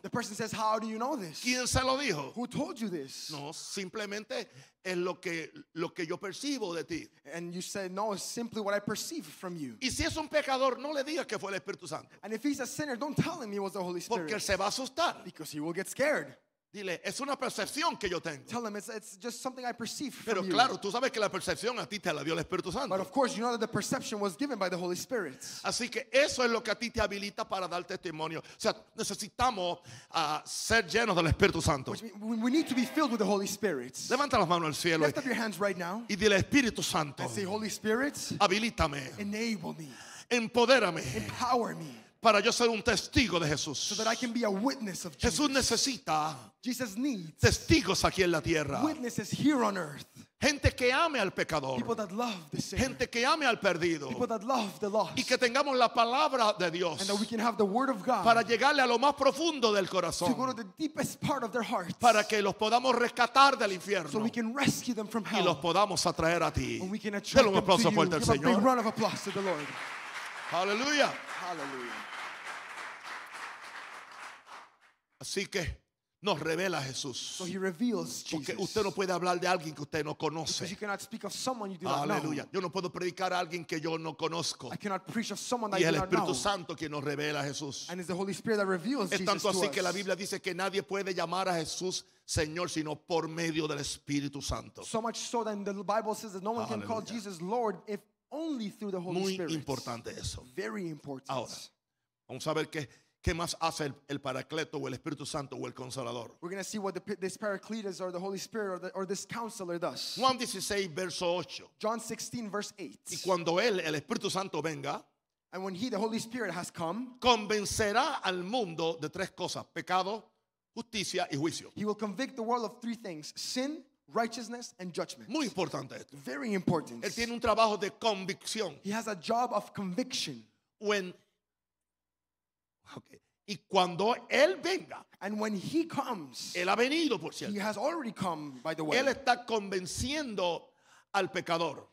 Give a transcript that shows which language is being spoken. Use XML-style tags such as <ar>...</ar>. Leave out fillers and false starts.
<en>The person says, how do you know this?</en> <es>¿Quién se lo dijo?</es> <en>Who told you this?</en> <es>No, simplemente es lo que yo percibo de ti.</es> <en>And you say, no, it's simply what I perceive from you.</en> <es>Y si es un pecador, no le digas que fue el Espíritu Santo.</es> <en>And if he's a sinner, don't tell him it was the Holy Spirit.</en> <es>Porque se va a asustar.</es> <en>Because he will get scared.</en> <es>Dile, es una percepción que yo tengo.</es> <en>Tell them it's just something I perceive from</en> <es>Pero claro, tú sabes que la percepción a ti te la dio el Espíritu Santo.</es> <en>But of course you know that the perception was given by the Holy Spirit.</en> <es>Así que eso es lo que a ti te habilita para dar testimonio. O sea, necesitamos ser llenos del Espíritu Santo.</es> <en>Which means we need to be filled with the Holy Spirit.</en> <es>Levanta las manos al cielo.</es> <en>Lift up your hands right now.</en> <es>Y dile, Espíritu Santo.</es> <en>And say, Holy Spirit.</en> <es>Habilítame.</es> <en>Enable me.</en> <es>Empodérame.</es> <en>Empower me.</en> <es>Para yo ser un testigo de Jesús.</es> <en>So that I can be a witness of Jesus.</en> <es>Jesús necesita</es> <en>Jesus needs</en> <es>testigos aquí en la tierra.</es> <en>Witnesses here on earth.</en> <es>Gente que ame al pecador.</es> <en>People that love the sinner.</en> <es>Gente que ame al perdido.</es> <en>People that love the lost.</en> <es>Y que tengamos la palabra de Dios.</es> <en>And that we can have the word of God.</en> <es>Para llegarle a lo más profundo del corazón.</es> <en>To go to the deepest part of their hearts.</en> <es>Para que los podamos rescatar del infierno.</es> <en>So we can rescue them from hell.</en> <es>Y los podamos atraer a ti.</es> <en>And we can attract them to you.</en> <es>Denle un aplauso fuerte al Señor.</es> <en>Give a big round of applause to the Lord. Hallelujah. Hallelujah.</en> <es>Así que nos revela Jesús.</es> <en>So he reveals Jesus.</en> <es>Porque usted no puede hablar de alguien que usted no conoce.</es> <en>Because you cannot speak of someone you do not know.</en> <es>Aleluya. Yo no puedo predicar a alguien que yo no conozco.</es> <en>I cannot preach of someone that</en> <es>y es el Espíritu Santo quien nos revela a Jesús.</es> <en>And it's the Holy Spirit that reveals</en> <es>es tanto</es> <en>Jesus</en> <es>así</es> <en>to</en> <es>que</es> <en>us.</en> <es>La Biblia dice que nadie puede llamar a Jesús Señor, sino por medio del Espíritu Santo.</es> <en>So much so that the Bible says that no one can call Jesus Lord if only through the Holy</en> <es>Muy</es> <en>Spirit.</en> <es>Muy importante eso.</es> <en>Very important.</en> <es>Ahora, vamos a ver qué más hace el Paracleto o el Espíritu Santo o el Consolador.</es> <en>We're going to see what this Paracletus or the Holy Spirit or this Counselor does.</en> <es>Juan 16, verso 8.</es> <en>John 16, verse 8.</en> <es>Y cuando él, el Espíritu Santo, venga,</es> <en>and when he, the Holy Spirit, has come,</en> <es>convencerá al mundo de tres cosas: pecado, justicia y juicio.</es> <en>He will convict the world of three things: sin, righteousness, and judgment.</en> <es>Muy importante esto.</es> <en>Very important.</en> <es>Él tiene un trabajo de convicción.</es> <en>He has a job of conviction.</en> <es>Y cuando él venga,</es> <en>and when he comes,</en> <es>él ha venido, por cierto.</es> <en>He has already come, by the way.</en> <es>Él está convenciendo al pecador.</es>